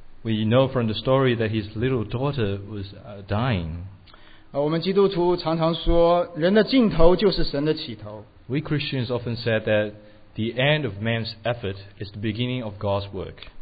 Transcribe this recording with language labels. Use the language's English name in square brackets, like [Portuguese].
[English] We know from the story that his little daughter was dying. [Chinese] 我们基督徒常常说, 人的尽头就是神的起头。 [English] We Christians often said that the end of man's effort is the beginning of God's work.